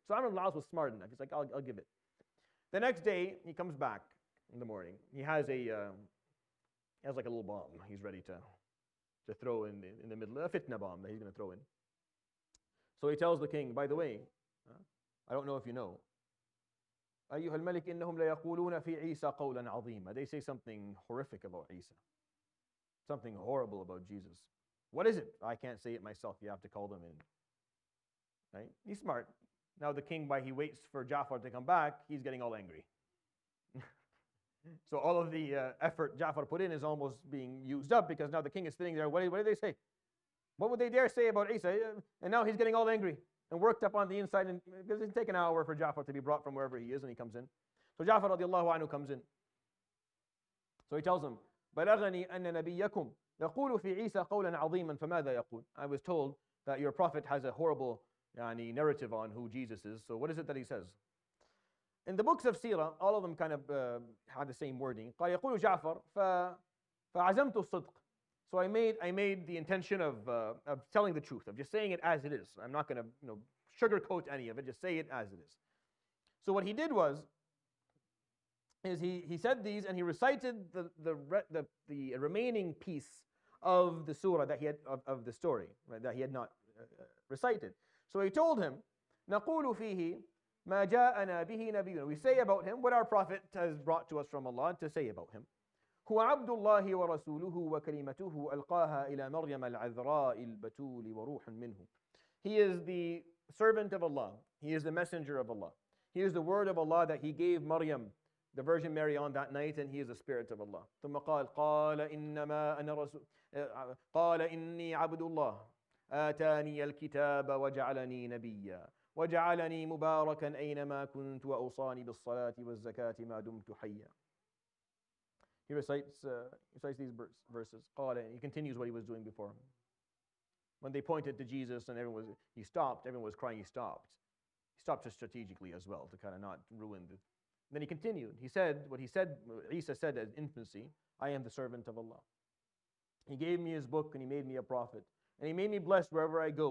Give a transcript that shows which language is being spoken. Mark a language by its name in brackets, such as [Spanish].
[English] So Amr al-As was smart enough. He's like, I'll give it. The next day, he comes back in the morning. He has a little bomb he's ready to throw in the middle, a fitna bomb that he's going to throw in. So he tells the king, "By the way, I don't know if you know, [Arabic] أيها الملك إنهم ليقولون في عيسى قولا عظيما. [English] They say something horrific about Isa. Something horrible about Jesus. What is it? I can't say it myself. You have to call them in. Right? He's smart. Now the king, while he waits for Jafar to come back, he's getting all angry. So all of the effort Jafar put in is almost being used up because now the king is sitting there. What do they say? What would they dare say about Isa? And now he's getting all angry and worked up on the inside. And it doesn't take an hour for Jafar to be brought from wherever he is, and he comes in. So Jafar radiallahu anhu comes in. So he tells him, [Arabic] بَلَغَنِي أَنَّ نَبِيَّكُمْ يَقُولُ فِي عِيسَى قَوْلًا عَظِيمًا فَمَاذَا يَقُولُ. [English] I was told that your prophet has a horrible narrative on who Jesus is. So what is it that he says? In the books of Seerah, all of them kind of have the same wording. [Arabic] قَالَ يَقُولُ جَعْفَرُ فَعَزَمْتُ الصِّدْقُ. [English] So I made the intention of telling the truth, of just saying it as it is. I'm not going to sugarcoat any of it. Just say it as it is. So what he did was, is he said these and he recited the remaining piece of the surah that he had of the story, right, that he had not recited. So he told him, [Arabic] نَقُولُ فِيهِ مَا جَاءَنَا بِهِ نَبِيُّنَا. [English] We say about him what our prophet has brought to us from Allah to say about him. [Arabic] هُوَ عَبْدُ اللَّهِ وَرَسُولُهُ وَكَلِمَتُهُ أَلْقَاهَا إِلَى مَرْيَمَ الْعَذْرَاءِ الْبَتُولِ وَرُوحٌ مِنْهُ. [English] He is the servant of Allah. He is the messenger of Allah. He is the word of Allah that he gave Maryam, the Virgin Mary, on that night, and he is the spirit of Allah. [Arabic] ثُمَّ قَالَ قَالَ إِنَّمَا أَنَا رَسُولُ قَالَ إِنِّي عَبْدُ اللَّهِ آتَانِيَ الْكِتَابَ وَجَعَلَنِي نَبِيًّا وَجَعَلَنِي مُبَارَكًا أَيْنَمَا كُنْتُ وَأُوصَانِي بِالصَّلَاةِ وَالزَّكَاةِ مَا دُمْتُ حَيًّا. [English] He recites these verses. [Arabic] قَالَ. [English] He continues what he was doing before. When they pointed to Jesus and everyone was crying, he stopped. He stopped just strategically as well to kind of not ruin the. Then he continued. He said what he said, Isa said at infancy, I am the servant of Allah. He gave me his book and he made me a prophet. And he made me blessed wherever I go.